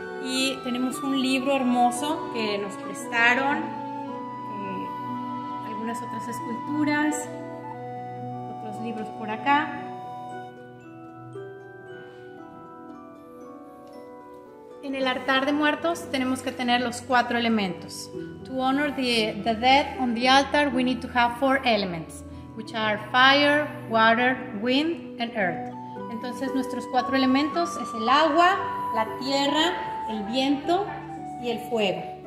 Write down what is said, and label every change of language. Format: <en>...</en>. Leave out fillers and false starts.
<es>Y tenemos un libro hermoso que nos prestaron, algunas otras esculturas, otros libros por acá. En el altar de muertos tenemos que tener los cuatro elementos.</es> <en>To honor the dead on the altar, we need to have four elements, which are fire, water, wind, and earth.</en> <es>Entonces nuestros cuatro elementos es el agua, la tierra, el viento y el fuego.</es>